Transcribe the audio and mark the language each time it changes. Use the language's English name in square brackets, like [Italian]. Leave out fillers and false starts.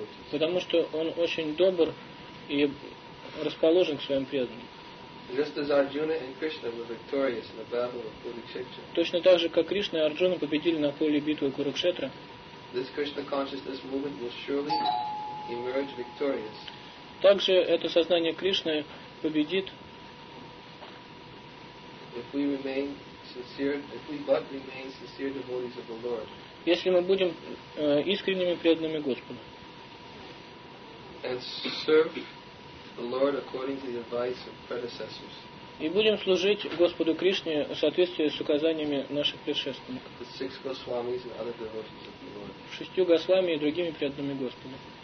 [Russian] Потому что Он очень добр и расположен к Своим преданным. [English] Just as Arjuna and Krishna were victorious in the battle of Kurukshetra. [Russian] Точно так же, как Кришна и Арджуна победили на поле битвы Курукшетра. [English] This Krishna consciousness movement will surely emerge victorious. [Russian] Также это сознание Кришны победит. [English] If we remain sincere, if we but remain sincere devotees of the Lord. [Russian] Если мы будем искренними преданными Господу. [English] And serve the Lord according to the advice of predecessors. [Russian] И будем служить Господу Кришне в соответствии с указаниями наших предшественников. [English] The six Goswamis and other devotees of the Lord. [Russian] Шестью Госвами и другими преданными Господу.